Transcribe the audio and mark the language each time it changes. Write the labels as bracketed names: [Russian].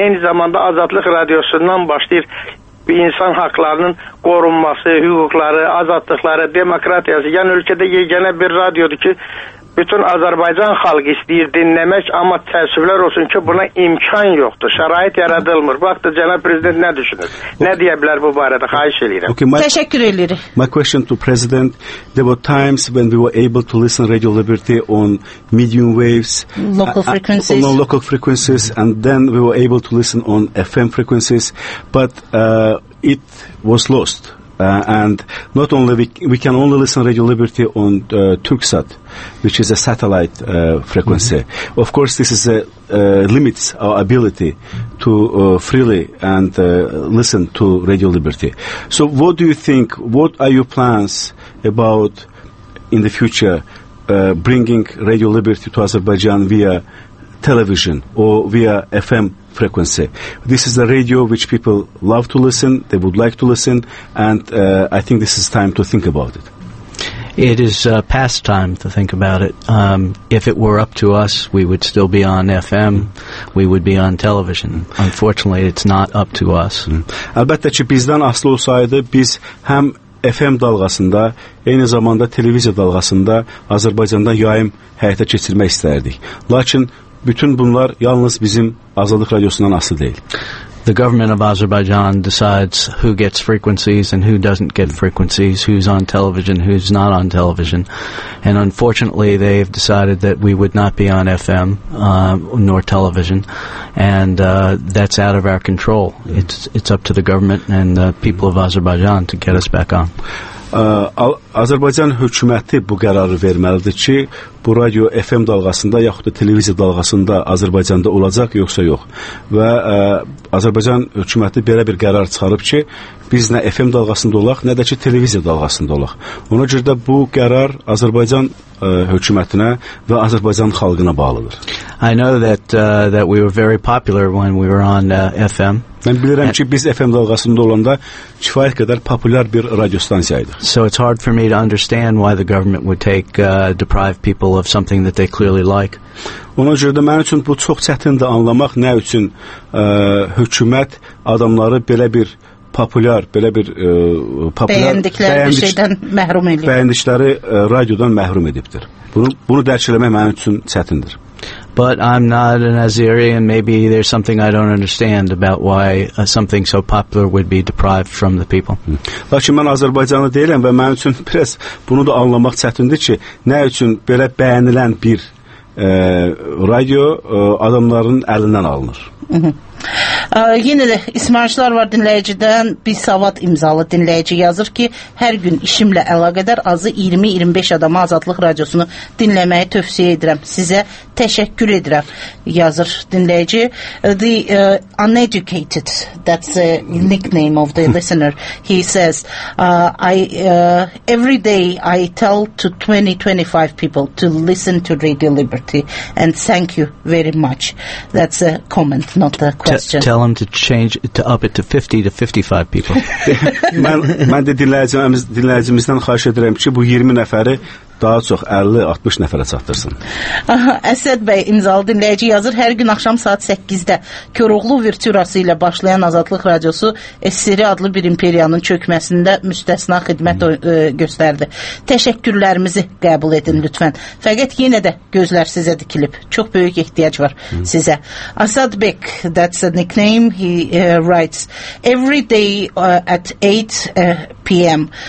[Azerbaijani] Eyni zamanda Azadlıq Radiosundan başlayır bir insan haqlarının qorunması, hüquqları, azadlıqları, demokratiyası. Yəni ölkədə yeganə bir radiodur ki, bütün Azərbaycan xalqı istəyir dinləmək, amma təəssüflər olsun ki, buna imkan yoxdur. Şərait yaradılmır. Bax da, cənab prezident, nə düşünür? Nə deyə bilər bu barədə? Xahiş edirəm. Okay, təşəkkür edirik. [English] My question to President. There were times when we were able to listen Radio Liberty on medium waves. Local frequencies. On local frequencies. And then we were able to listen on FM frequencies. But it was lost. And not only we can only listen Radio Liberty on Turksat, which is a satellite frequency. Mm-hmm. Of course, this is limits our ability to freely and listen to Radio Liberty. So, what do you think? What are your plans about in the future bringing Radio Liberty to Azerbaijan via television or via FM frequency? This is the radio which people love to listen, they would like to listen, and I think this is time to think about it. It is past time to think about it. If it were up to us, we would still be on FM, we would be on television. Unfortunately, it's not up to us. [Azerbaijani] Əlbəttə ki, bizdən asılı olsaydı, biz həm FM dalğasında, eyni zamanda televiziya dalğasında Azərbaycanda yayım həyata keçirmək istərdik. Lakin bütün bunlar yalnız bizim Azadlıq Radiosundan asılı deyil. [English] the government of Azerbaijan decides who gets frequencies and who doesn't get frequencies, who's on television, who's not on television. And unfortunately, they've decided that we would not be on FM nor television, and that's out of our control. It's up to the government and the people of Azerbaijan to get us back on. [Azerbaijani] Azərbaycan hökuməti bu qərarı verməlidir ki, bu radio FM dalğasında yaxud da televiziya dalğasında Azərbaycanda olacaq, yoxsa yox. Və Azərbaycan hökuməti belə bir qərar çıxarıb ki, biz nə FM dalğasında olaq, nə də ki televiziya dalğasında olaq. Ona görə də bu qərar Azərbaycan hökumətinə və Azərbaycan xalqına bağlıdır. [English] I know that that we were very popular when we were on FM. [Azerbaijani] Mən bilirəm ki, biz FM dalğasında olanda kifayət qədər populyar bir radio stansiyaydıq. [English] So it's hard for me to understand why the government would take deprive people of something that they clearly like. [Azerbaijani] Ona görə də mənim üçün bu çox çətindir anlamaq nə üçün hökumət adamları belə bir popüler, belə bir bəyəndikləri radiodan məhrum edibdir. Bunu dərk eləmək mənim üçün çətindir. [English] But I'm not an Azeri, and maybe there's something I don't understand about why something so popular would be deprived from the people. [Azerbaijani] Lakin mən Azərbaycanlı deyiləm və mənim üçün biraz bunu da anlamaq çətindir ki, nə üçün belə bəyənilən bir radio adamların əlindən alınır. Yenə də ismarışlar var dinləyicidən. Bir savad imzalı dinləyici yazır ki, hər gün işimlə əlaqədar azı 20-25 adama Azadlıq Radiosunu dinləməyi tövsiyə edirəm. Sizə təşəkkür edirəm, yazır dinləyici. [English] The uneducated, that's the nickname of the listener, he says, every day I tell to 20-25 people to listen to Radio Liberty and thank you very much. That's a comment, not a question. Tell them to change it to up it to 50 to 55 people. [Azerbaijani] Mən də dinləyicimizdən xahiş edirəm ki, bu 20 nəfəri daha çox 50-60 nəfərə çatdırsın. Əsəd bəy imzalı dinləyici yazır, hər gün axşam saat 8-də Koroğlu virtürası ilə başlayan Azadlıq Radiosu SSRİ adlı bir imperiyanın çökməsində müstəsna xidmət göstərdi. Təşəkkürlərimizi qəbul edin lütfən. Fəqət yenə də gözlər sizə dikilib. Çox böyük ehtiyac var sizə. [English] Asad Bek, that's the nickname, he writes, every day at 8 p.m.